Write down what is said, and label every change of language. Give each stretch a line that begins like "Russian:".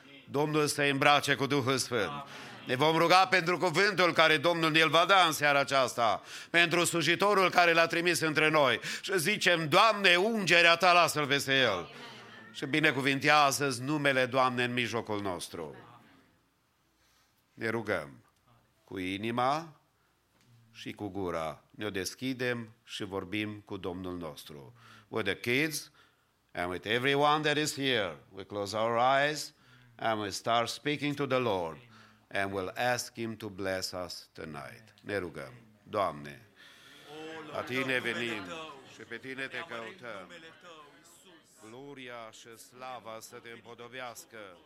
Romanian: Domnul să îi îmbrace cu Duhul Sfânt. Ne vom ruga pentru cuvântul care Domnul ne-l va da în seara aceasta, pentru slujitorul care l-a trimis între noi și zicem, Doamne, ungerea Ta lasă peste el. Și binecuvintează-ți numele, Doamne, în mijlocul nostru. Ne rugăm cu inima și cu gura. Ne-o deschidem și vorbim cu Domnul nostru.
English: With the kids and with everyone that is here, we close our eyes and we start speaking to the Lord. And we'll ask Him to bless us tonight.
Romanian: Ne rugăm, Doamne, la Tine venim și pe Tine te căutăm. Gloria și slava să te împodobească.